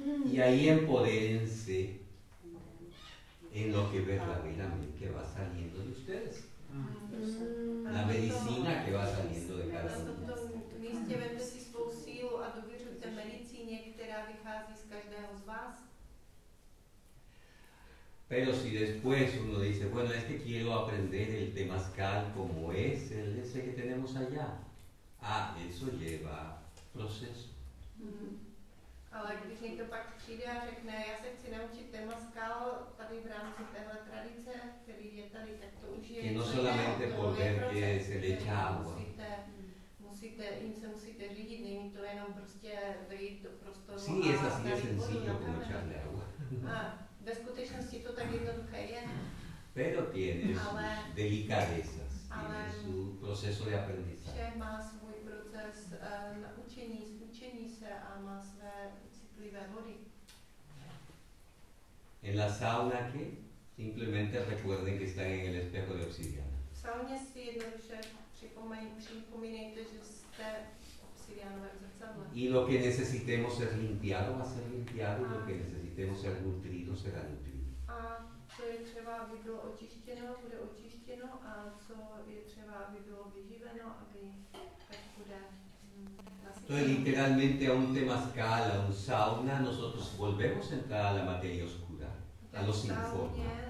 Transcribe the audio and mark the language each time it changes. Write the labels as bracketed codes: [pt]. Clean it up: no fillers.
[es] y ahí empodérense en lo que verdaderamente que va saliendo de ustedes. La medicina que va saliendo de cada uno. [cs] Místě vemte si svou sílu a důvěřujte medicíně, která vychází z každého z vás. [es] Pero si después uno dice, bueno, es que quiero aprender el temazcal como es el ese que tenemos allá. Ah, eso lleva proceso. [cs] Ale když někdo pak přijde a řekne, já se chci naučit temazcal tady v rámci téhle tradice, který je tady, tak to už je. [es] Que no solamente por ver que se le echa agua. [cs] Jim se musíte řídit, není to jenom prostě vejít do prostoru. [es] Sí, es así de sencillo como echarle agua. [cs] Ve skutečnosti to tak jednoduché je. [es] Pero tiene sus delicadezas, tiene su proceso de aprendizaje. [cs] Vše má svůj proces naučení, učení se a má své citlivé body. [es] En la sauna que simplemente recuerden que están en el espejo de obsidiana. [cs] V sauně si jednoduše připomínejte, že jste obsidianové zrcadlo. [es] Y lo que necesitemos ser limpiado va a ser limpiado, lo que necesitemos ser nutrido será nutrido. [cs] A co je třeba, aby bylo očištěno, bude očištěno, a co je třeba, aby bylo vyživeno, aby tak bude. To je [es] literalmente a un temazcal, a un sauna, nosotros volvemos a entrar a la materia oscura, a los informes.